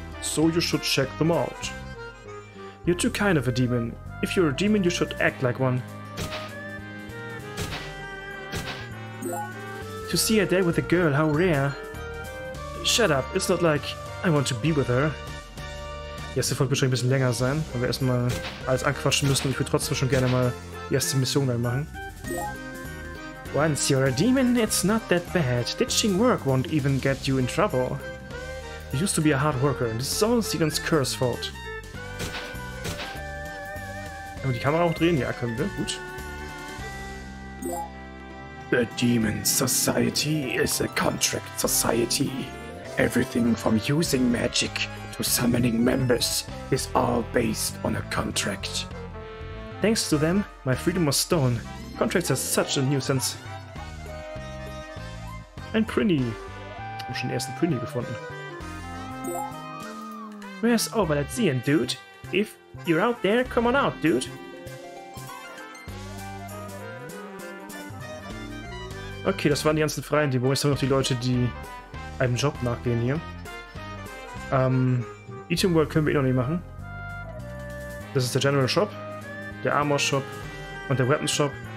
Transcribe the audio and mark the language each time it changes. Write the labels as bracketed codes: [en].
[en] So you should check them out. You're too kind of a demon. If you're a demon, you should act like one. To see Adele with a girl, how rare. Shut up, it's not like I want to be with her. [de] Die erste Folge wird schon ein bisschen länger sein, weil wir erstmal alles anquatschen müssen und ich würde trotzdem schon gerne mal die erste Mission dann machen. [en] Once you're a demon, it's not that bad. Ditching work won't even get you in trouble. You used to be a hard worker and this is all Sigan's curse fault. [de] Können wir die Kamera auch drehen? Ja, können wir, gut. [en] The Demon Society is a contract society. Everything from using magic to summoning members is all based on a contract. Thanks to them, my freedom was stolen. Contracts are such a nuisance. [de] Ein Prinny. Ich habe schon den ersten Prinny gefunden. [en] Where's over at sea, dude? If you're out there, come on out, dude. [de] Okay, das waren die ganzen freien Demos. Jetzt haben wir noch die Leute, die einem Job nachgehen hier. Item World können wir eh noch nicht machen. Das ist der General Shop, der Armor Shop und der Weapon Shop.